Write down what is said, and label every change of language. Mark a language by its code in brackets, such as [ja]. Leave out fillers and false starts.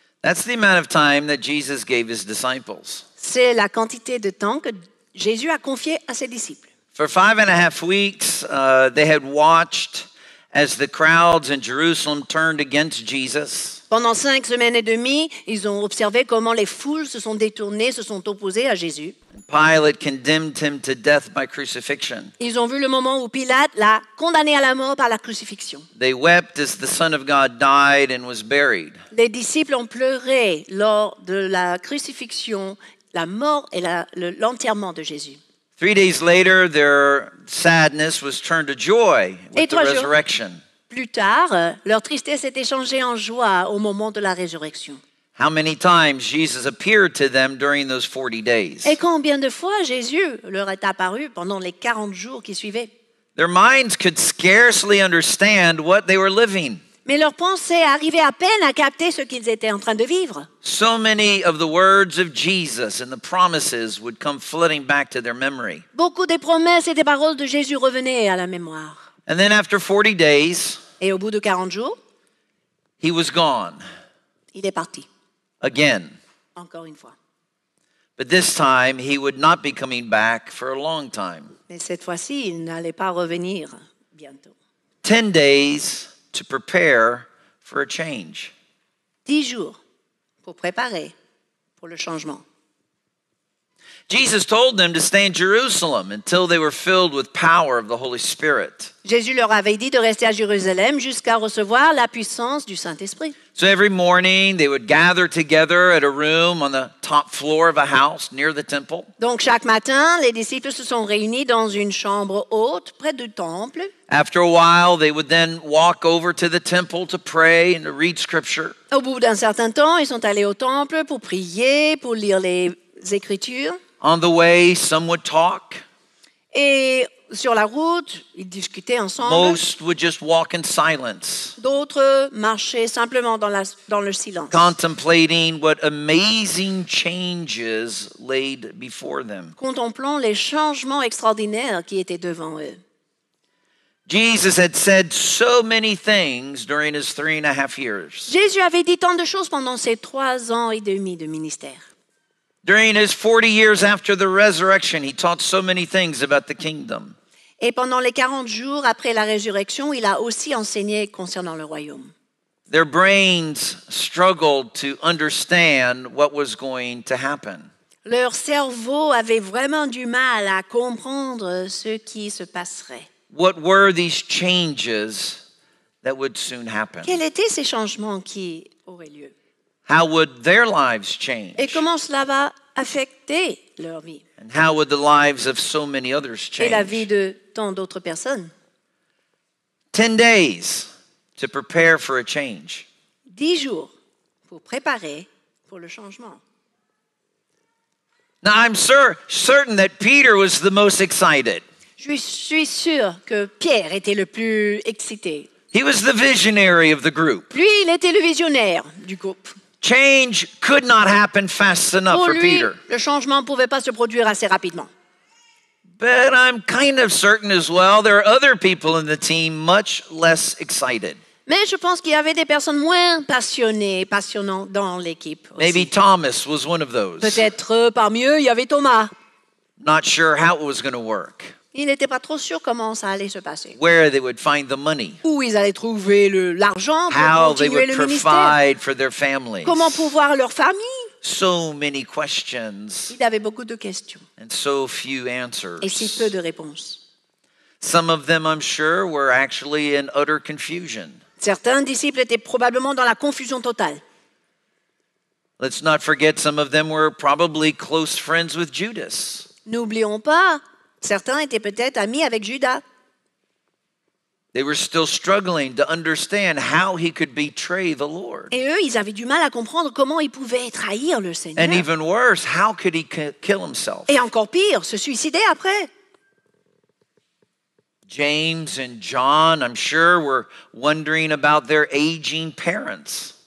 [en] That's the amount of time that Jesus gave his disciples. [fr] C'est la quantité de temps que Jésus a confié à ses disciples. [en] For 5.5 weeks, they had watched as the crowds in Jerusalem turned against Jesus. [fr] Pendant 5 semaines et demie, ils ont observé comment les foules se sont détournées, se sont opposées à Jésus. [en] Pilate condemned him to death by crucifixion. [fr] Ils ont vu le moment où Pilate l'a condamné à la mort par la crucifixion. [en] They wept as the Son of God died and was buried. [fr] Les disciples ont pleuré lors de la crucifixion, la mort et l'enterrement de Jésus. [en] 3 days later, their sadness was turned to joy with the resurrection. [fr] Plus tard, leur tristesse était changée en joie au moment de la résurrection. [en] How many times Jesus appeared to them during those 40 days? [fr] Et combien de fois Jésus leur est apparu pendant les 40 jours qui suivaient? [en] Their minds could scarcely understand what they were living. [fr] Mais leurs pensées arrivaient à peine à capter ce qu'ils étaient en train de vivre. [en] So many of the words of Jesus and the promises would come flooding back to their memory. [fr] Beaucoup des promesses et des paroles de Jésus revenaient à la mémoire. [en] And then after 40 days, [fr] et au bout de 40 jours, [en] he was gone. [fr] Il est parti. [en] Again. [fr] Encore une fois. [en] But this time, he would not be coming back for a long time. [fr] Mais cette fois-ci, il n'allait pas revenir bientôt. [en] 10 days to prepare for a change. [fr] 10 jours pour préparer pour le changement. [en] Jesus told them to stay in Jerusalem until they were filled with power of the Holy Spirit. [fr] Jésus leur avait dit de rester à Jérusalem jusqu'à recevoir la puissance du Saint-Esprit. [en] So every morning they would gather together at a room on the top floor of a house near the temple. [fr] Donc chaque matin, les disciples se sont réunis dans une chambre haute près du temple. [en] After a while, they would then walk over to the temple to pray and to read scripture. [fr] Au bout d'un certain temps, ils sont allés au temple pour prier, pour lire les écritures. [en] On the way, some would talk. [fr] Et sur la route, ils discutaient ensemble. [en] Most would just walk in silence. [fr] D'autres marchaient simplement dans le silence. [en] Contemplating what amazing changes laid before them. [fr] Contemplant les changements extraordinaires qui étaient devant eux. [en] Jesus had said so many things during his 3.5 years. [fr] Jésus avait dit tant de choses pendant ses 3 ans et demi de ministère. [en] During his 40 years after the resurrection, he taught so many things about the kingdom. [fr] Et pendant les 40 jours après la résurrection, il a aussi enseigné concernant le royaume. [en] Their brains struggled to understand what was going to happen. [fr] Leur cerveau avait vraiment du mal à comprendre ce qui se passerait. [en] What were these changes that would soon happen? [fr] Quels étaient ces changements qui auraient lieu? [en] How would their lives change? [fr] Et comment cela va affecter leur vie? [en] And how would the lives of so many others change? [fr] Et la vie de tant d'autres personnes? [en] 10 days to prepare for a change. [fr] 10 jours pour préparer pour le changement. [en] Now I'm certain that Peter was the most excited. [fr] Je suis sûr que Pierre était le plus excité. [en] He was the visionary of the group. [fr] Lui, il était le visionnaire du groupe. [en] Change could not happen fast enough [fr] pour lui, [en] for Peter. [fr] Le changement pouvait pas se produire assez rapidement. [en] But I'm kind of certain as well there are other people in the team much less excited. [fr] Mais je pense qu'il y avait des personnes moins passionnées, passionnantes dans l'équipe aussi. [en] Maybe Thomas was one of those. [fr] Peut-être parmi eux, il y avait Thomas. [en] Not sure how it was going to work. [fr] Il n'était pas trop sûr comment ça allait se passer. [en] Where they would find the money. [fr] Où ils allaient trouver l'argent pour [en] how [fr] continuer [en] they would [fr] le ministère. [en] Provide for their families. [fr] Comment pouvoir leur famille. [en] So many questions. [fr] Il avait beaucoup de questions. [en] And so few answers. [fr] Et si peu de réponses. [en] Some of them, I'm sure, were actually in utter confusion. [fr] Certains disciples étaient probablement dans la confusion totale. [en] Let's not forget some of them were probably close friends with Judas. [fr] N'oublions pas, certains étaient peut-être amis avec Judas. [en] They were still struggling to understand how he could betray the Lord. [fr] Et eux, ils avaient du mal à comprendre comment ils pouvaient trahir le Seigneur. [en] And even worse, how could he kill himself? [fr] Et encore pire, se suicider après. [en] James and John, I'm sure, were wondering about their aging parents.